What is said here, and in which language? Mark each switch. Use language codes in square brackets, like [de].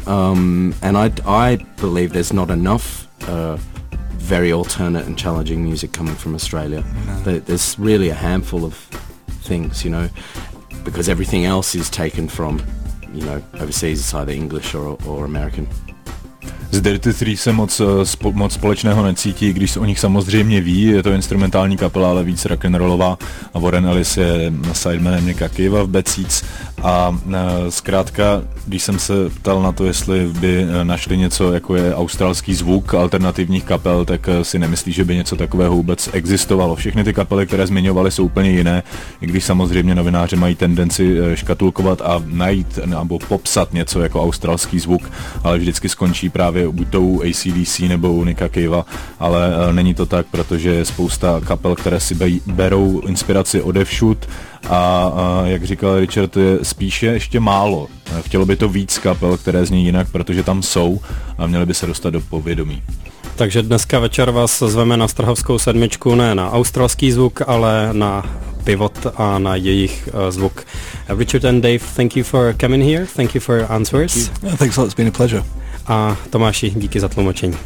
[en] And I believe there's not enough very alternate and challenging music coming from Australia. No. There's really a handful of things, you know. Because everything else is taken from, you know, overseas. It's either English or American. [cs] Z Dirty Three se moc společného necítí, když se o nich samozřejmě ví, je to instrumentální kapela, ale víc rock'n'rollová. Warren Ellis je sidemanem Nicka Cavea v Bad Seeds. A zkrátka, když jsem se ptal na to, jestli by našli něco, jako je australský zvuk alternativních kapel, tak si nemyslí, že by něco takového vůbec existovalo. Všechny ty kapely, které zmiňovaly, jsou úplně jiné, i když samozřejmě novináři mají tendenci škatulkovat a najít nebo popsat něco jako australský zvuk, ale vždycky skončí právě buď to u AC/DC nebo u Nicka Cavea, ale není to tak, protože je spousta kapel, které si berou inspiraci odevšud. A jak říkal Richard, je spíše ještě málo. Chtělo by to víc kapel, které zní jinak, protože tam jsou a měly by se dostat do povědomí. Takže dneska večer vás zveme na Strahovskou sedmičku, ne na australský zvuk, ale na Pivot a na jejich zvuk. [en] Richard and Dave, thank you for coming here, thank you for your answers. Thank you. Thanks a lot, it's been a pleasure. [cs] A Tomáši, díky za tlumočení.